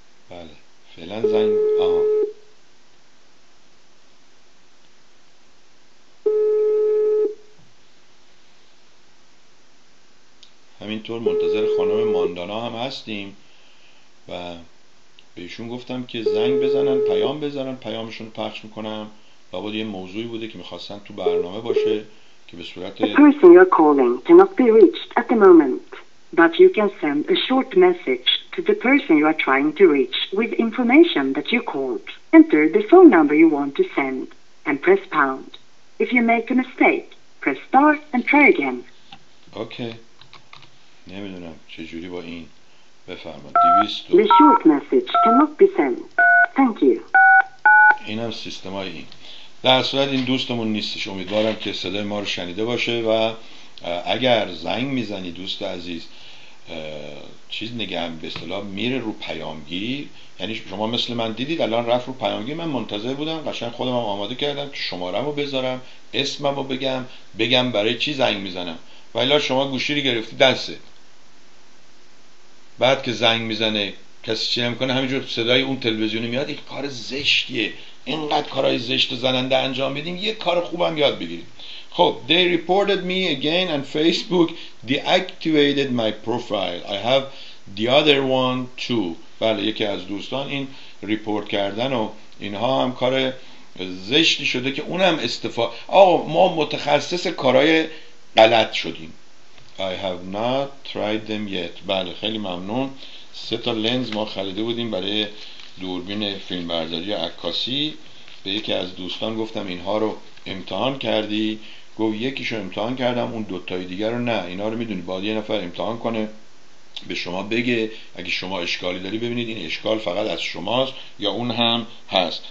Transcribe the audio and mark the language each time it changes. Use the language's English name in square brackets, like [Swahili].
[Persian] بله فعلا زنگ. آها همینطور منتظر خانم ماندانا هم هستیم و بهشون گفتم که زنگ بزنن، پیام بزنن، پیامشون پخش میکنم. و بعد یه موضوعی بوده که میخواستن تو برنامه باشه که به صورت [English] The person you're calling cannot be reached at the moment, but you can send a short message to the person you are trying to reach with information that you called. Enter the phone number you want to send and press pound. If you make a mistake, press star and try again. Okay. [Persian] نمیدونم چه جوری با این بفرمایید. 200 [English] The short message cannot be sent. Thank you. [Persian] اینم سیستمای این. در صورت این دوستمون نیستش. امیدوارم که صدای ما رو شنیده باشه و اگر زنگ میزنی دوست عزیز چیز نگم به اصطلاح میره رو پیامگیر، یعنی شما مثل من دیدید الان رفت رو پیامگیر، من منتظر بودم قشنگ خودم آماده کردم که شمارم رو بذارم، اسمم رو بگم، بگم برای چی زنگ میزنم، ولی شما گوشی رو گرفتی دسته بعد که زنگ میزنه کسی چی نمی کنه، همینجور صدای اون تلویزیونی میاد. این کار زشتیه، اینقدر کارهای زشت و زننده انجام میدیم، یه کار خوبم یاد بگیریم. [English] خب They reported me again on Facebook, deactivated my profile. I have the other one too. [Persian] بله یکی از دوستان این ریپورت کردن و اینها هم کار زشتی شده که اونم استفاده. آقا ما متخصص کارهای غلط شدیم. [English] I have not tried them yet. [Persian] بله خیلی ممنون. سه تا لنز ما خریده بودیم برای دوربین فیلمبرداری عکاسی، به یکی از دوستان گفتم اینها رو امتحان کردی؟ گفت یکیشو امتحان کردم، اون دو تای دیگر رو نه. اینا رو میدونی باید یه نفر امتحان کنه به شما بگه، اگه شما اشکالی داری ببینید این اشکال فقط از شماست یا اون هم هست.